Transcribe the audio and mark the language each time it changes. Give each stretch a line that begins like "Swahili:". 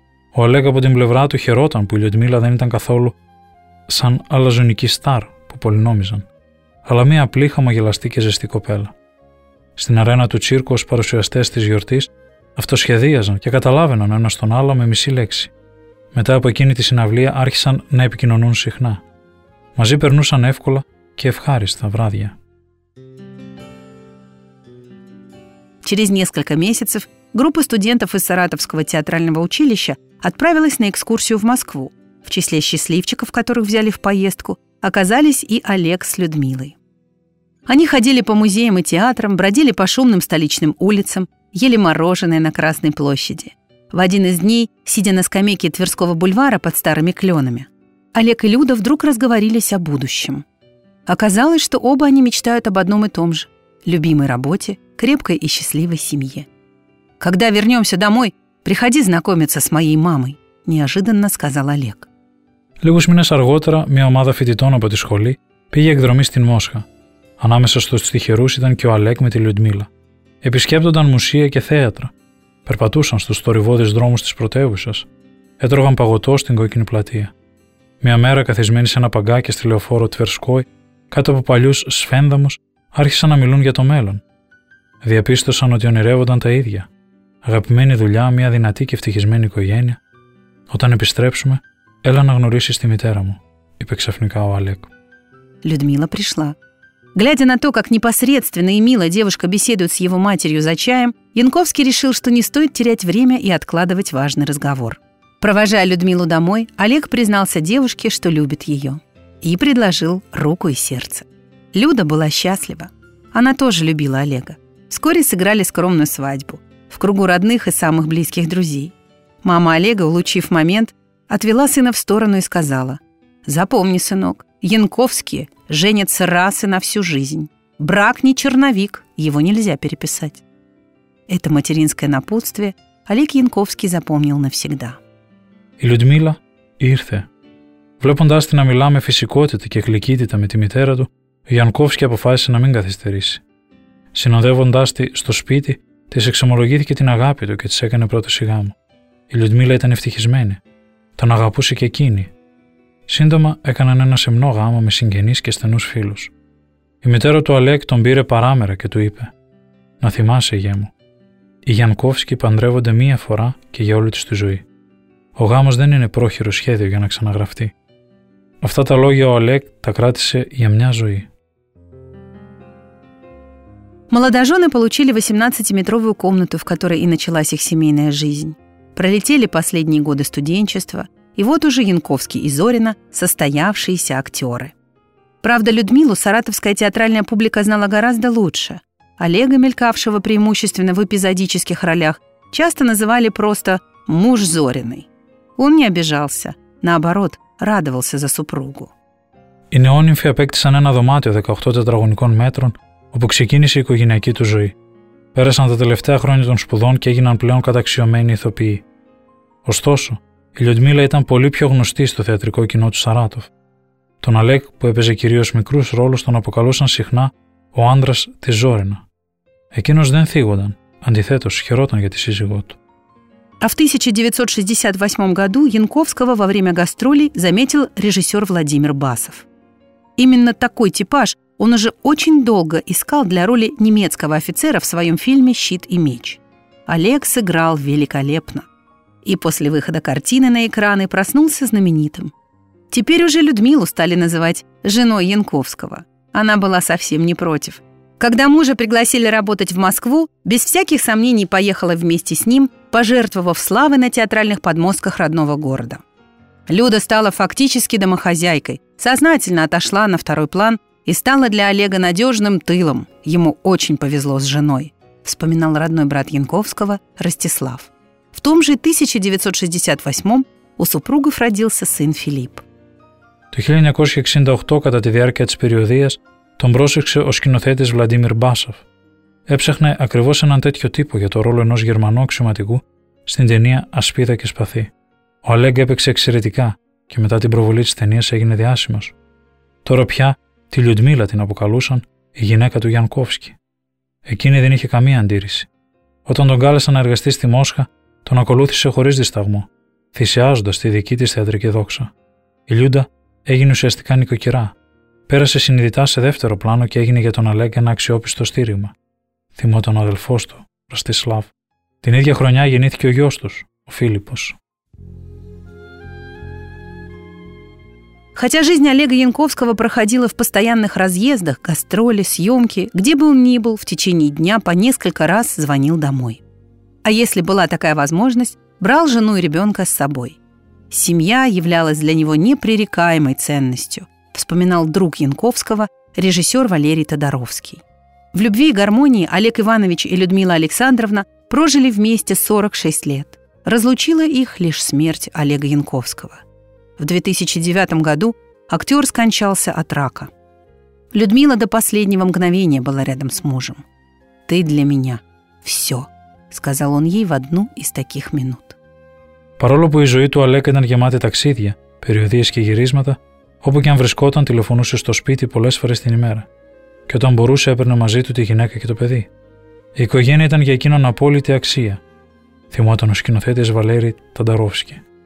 Greek: Ο Αλέκ από την πλευρά του χαιρόταν που η Λιουντμίλα δεν ήταν καθόλου σαν αλαζονική στάρ που πολλοί νόμιζαν, αλλά μία απλή χαμογελαστή και ζεστή κοπέλα. Στην αρένα του τσίρκου ως παρουσιαστές της γιορτής αυτοσχεδίαζαν και καταλάβαιναν ένας τον άλλο με μισή λέξη. Μετά από εκείνη τη συναυλία άρχισαν να επικοινωνούν συχνά. Μαζί περνούσαν εύκολα και ευχάριστα βράδια.
Russian: Через несколько месяцев группа студентов из Саратовского театрального училища отправилась на экскурсию в Москву. В числе счастливчиков, которых взяли в поездку, оказались и Олег с Людмилой. Они ходили по музеям и театрам, бродили по шумным столичным улицам, ели мороженое на Красной площади. В один из дней, сидя на скамейке Тверского бульвара под старыми кленами, Олег и Люда вдруг разговорились о будущем. Оказалось, что оба они мечтают об одном и том же – любимой работе, крепкой и счастливой семье. «Когда вернемся домой, приходи знакомиться с моей мамой», – неожиданно сказал Олег.
Greek: Λίγους μήνες αργότερα, μια ομάδα φοιτητών από τη σχολή πήγε εκδρομή στην Μόσχα. Ανάμεσα στους τυχερούς ήταν και ο Αλέκ με τη Λιουντμίλα. Επισκέπτονταν μουσεία και θέατρα. Περπατούσαν στους θορυβώδεις δρόμους της πρωτεύουσας. Έτρωγαν παγωτό στην Κόκκινη Πλατεία. Μια μέρα, καθισμένοι σε ένα παγκάκι στη λεωφόρο Τβερσκόη, κάτω από παλιούς σφένδαμους, άρχισαν να μιλούν για το μέλλον. Διαπίστωσαν ότι ονειρεύονταν τα ίδια. Αγαπημένη δουλειά, μια δυνατή και ευτυχισμένη οικογένεια. Όταν επιστρέψουμε, «Έλα να γνωρίσεις τη μητέρα μου», είπε ξαφνικά ο Олег.
Russian: Людмила пришла. Глядя на то, как непосредственно и мило девушка беседует с его матерью за чаем, Янковский решил, что не стоит терять время и откладывать важный разговор. Провожая Людмилу домой, Олег признался девушке, что любит ее, и предложил руку и сердце. Люда была счастлива. Она тоже любила Олега. Вскоре сыграли скромную свадьбу в кругу родных и самых близких друзей. Мама Олега, улучив момент, отвела сына в сторону и сказала: «Запомни, сынок, Янковские женятся раз и на всю жизнь. Брак не черновик, его нельзя переписать». Это материнское напутствие Олег Янковский запомнил навсегда. И Людмила
Greek: ήρθε. Βλέποντας την να μιλά με φυσικότητα και γλυκύτητα με τη μητέρα του, ο Γιανκόφσκι αποφάσισε να μην καθυστερήσει. Συνοδεύοντάς τη στο σπίτι, της εξομολογήθηκε την αγάπη του και της έκανε πρώτο σιγά μου. Η Λιουντμίλα ήταν ευτυχισμένη. Τον αγαπούσε και εκείνη. Σύντομα έκαναν ένα σεμνό γάμο με συγγενείς και στενούς φίλους. Η μητέρα του Αλέκ τον πήρε παράμερα και του είπε: «Να θυμάσαι, γιέ μου. Οι Γιανκόφσκοι παντρεύονται μία φορά και για όλη τους τη ζωή. Ο γάμος δεν είναι πρόχειρο σχέδιο για να ξαναγραφτεί». Αυτά τα λόγια ο Αλέκ τα κράτησε για μια ζωή.
Russian: Молодожены получили 18-метровую комнату, в которой и началась их семейная жизнь. Пролетели последние годы студенчества, и вот уже Янковский и Зорина – состоявшиеся актеры. Правда, Людмилу саратовская театральная публика знала гораздо лучше. Олега, мелькавшего преимущественно в эпизодических ролях, часто называли просто «муж Зориной». Он не обижался, наоборот, радовался за супругу.
Greek: Οι неонимфы απέκτησαν ένα δωμάτιο 18 τετραγωνικών
Russian: метров,
Greek: όπου ξεκίνησε η οικογενειακή του ζωή. Πέρασαν τα τελευταία χρόνια των σπουδών και έγιναν πλέον καταξιωμένοι ηθοποιοί. Ωστόσο, η Λιουντμίλα ήταν πολύ πιο γνωστή στο θεατρικό κοινό του Σαράτοφ. Τον Αλέκ, που έπαιζε κυρίως μικρούς ρόλους, τον αποκαλούσαν συχνά ο άντρας της Ζόρινα. Εκείνος δεν θίγονταν, αντιθέτως χαιρόταν για τη σύζυγό του.
Russian: А в 1968 году Янковского во время гастролей заметил режиссер Владимир Басов. Именно такой типаж Он уже очень долго искал для роли немецкого офицера в своем фильме «Щит и меч». Олег сыграл великолепно. И после выхода картины на экраны проснулся знаменитым. Теперь уже Людмилу стали называть женой Янковского. Она была совсем не против. Когда мужа пригласили работать в Москву, без всяких сомнений поехала вместе с ним, пожертвовав славой на театральных подмостках родного города. Люда стала фактически домохозяйкой, сознательно отошла на второй план и стала для Олега надежным тылом. Ему очень повезло с женой, вспоминал родной брат Янковского Ростислав. В том же 1968 у супругов родился сын Филипп.
Greek: Το 1968, κατά τη διάρκεια της περιοδίας, τον πρόσεξε ο σκηνοθέτης Βλαντίμιρ Μπάσοφ. Έψαχνε ακριβώς έναν τέτοιο τύπο για το ρόλο ενός Γερμανού αξιωματικού στην ταινία «Ασπίδα και σπαθί». Ο Αλέγκ έπαιξε εξαιρετικά και μετά την προβολή της ταινίας έγινε διάσημος. Τώρα πια τη Λιουντμίλα την αποκαλούσαν η γυναίκα του Γιανκόφσκι. Εκείνη δεν είχε καμία αντίρρηση. Όταν τον κάλεσαν να εργαστεί στη Μόσχα, τον ακολούθησε χωρίς δισταγμό, θυσιάζοντας τη δική της θεατρική δόξα. Η Λιούντα έγινε ουσιαστικά νοικοκυρά. Πέρασε συνειδητά σε δεύτερο πλάνο και έγινε για τον Αλέγκ ένα αξιόπιστο στήριγμα. Θυμώ τον αδελφός του, Ραστισλάβ. Την ίδια χρονιά γεννήθηκε ο γιος τους, ο Φίλιππος.
Russian: Хотя жизнь Олега Янковского проходила в постоянных разъездах, гастроли, съемки, где бы он ни был, в течение дня по несколько раз звонил домой. А если была такая возможность, брал жену и ребенка с собой. «Семья являлась для него непререкаемой ценностью», вспоминал друг Янковского, режиссер Валерий Тодоровский. В любви и гармонии Олег Иванович и Людмила Александровна прожили вместе 46 лет. Разлучила их лишь смерть Олега Янковского. В 2009 году актер скончался от рака. Людмила до последнего мгновения была рядом с мужем. «Ты для меня все», сказал он ей в одну из таких минут.
Greek: Παρόλο που η ζωή του Αλέκ ήταν γεμάτη ταξίδια, περιοδίες και γυρίσματα, όπου και αν βρισκόταν τηλεφωνούσε στο σπίτι πολλές φορές την ημέρα. Και όταν μπορούσε έπαιρνε μαζί του τη γυναίκα και το παιδί. Η οικογένεια ήταν για εκείνον απόλυτη αξία, θυμόταν ο σκηνοθέτης Βαλέρη Τανταρόφσκι.